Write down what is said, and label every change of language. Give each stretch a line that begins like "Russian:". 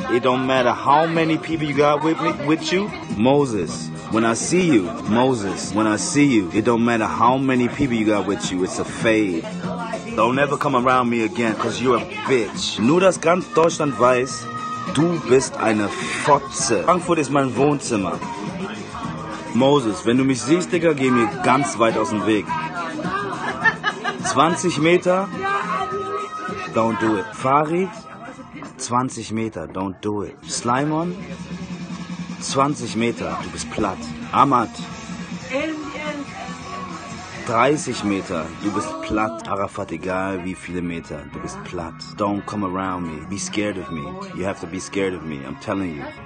English: It don't matter how many people you got with you. Moses, when I see you, Moses, when I see you, it don't matter how many people you got with you, it's a fade. Don't ever come around me again, cause you're a bitch.
German: Nur das ganz Deutschland weiß, du bist eine Fotze. Frankfurt ist mein Wohnzimmer. Moses, wenn du mich siehst, Digga, geh mir ganz weit aus dem Weg.
English: 20 Meter? Don't do it. Farid?
German: 20 Meter,
English: don't do it.
German: Slimon, 20 Meter, du bist platt. Ahmad, 30 Meter, du bist platt. Arafat, egal wie viele Meter, du bist platt.
English: Don't come around me, be scared of me. You have to be scared of me, I'm telling you.